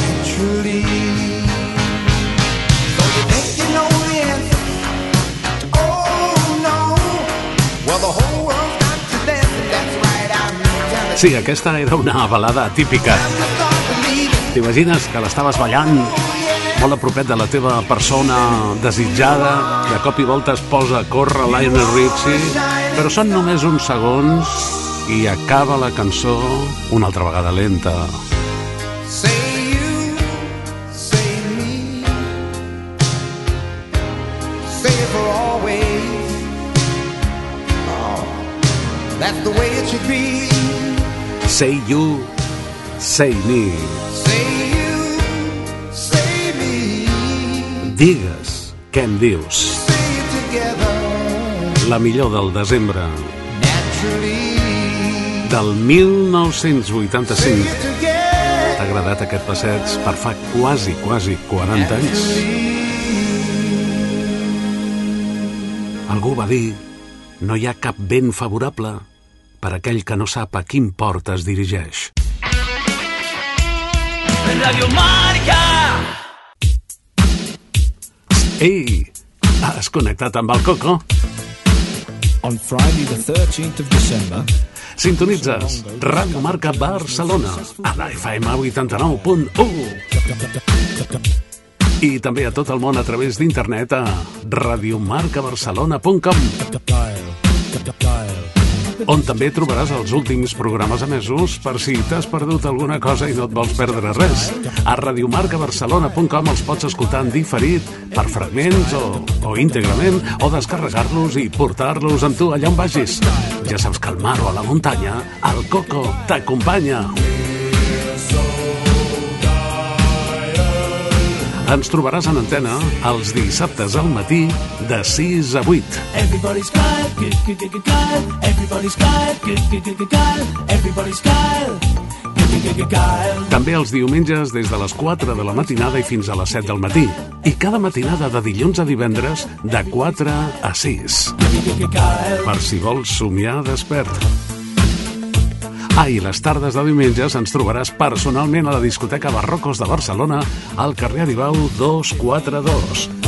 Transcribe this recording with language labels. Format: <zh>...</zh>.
<en>Truly. So you think you know the answer? Oh no. Well, the whole world's got to dance. That's right, I'm telling.</en> <ca>Sí, aquesta era una balada atípica. T'imagines que l'estaves ballant molt a propet de la teva persona desitjada, de cop i volta es posa a córrer Lionel Richie, però són només uns segons i acaba la cançó una altra vegada lenta.</ca> <en>Say you, say me, say it for always. Oh, that's the way it should be. Say you, say me. Say you, say me.</en> <ca>Digues què em dius.</ca> <en>Say it together.</en> <ca>La millor del desembre.</ca> <en>Naturally.</en> <ca>Del 1985. T'ha agradat aquest passeig per fa quasi, quasi 40 anys? Algú va dir: no hi ha cap vent favorable per aquell que no sap a quin port es dirigeix. Radio Marca! Ei, has connectat amb el Coco?</ca> <en>On Friday the 13th of December...</en> <ca>Sintonitzes Radio Marca Barcelona a la FM 89.1 i també a tot el món a través d'internet a radiomarcabarcelona.com, on també trobaràs els últims programes emesos per si t'has perdut alguna cosa i no et vols perdre res. A radiomarcabarcelona.com els pots escoltar en diferit, per fragments o íntegrament, o descarregar-los i portar-los amb tu allà on vagis. Ja saps que al mar o a la muntanya, el Coco t'acompanya. Ens trobaràs en antena els dissabtes al matí de 6 a 8.</ca> <en>Everybody's got, good, good, good, good, good. Everybody's got, good, good, good, good, good. Everybody's got.</en> <ca>També els diumenges des de les 4 de la matinada i fins a les 7 del matí. I cada matinada de dilluns a divendres de 4 a 6. Per si vols somiar despert. Ah, i les tardes de diumenges ens trobaràs personalment a la discoteca Barrocos de Barcelona, al carrer Aribau 242.</ca>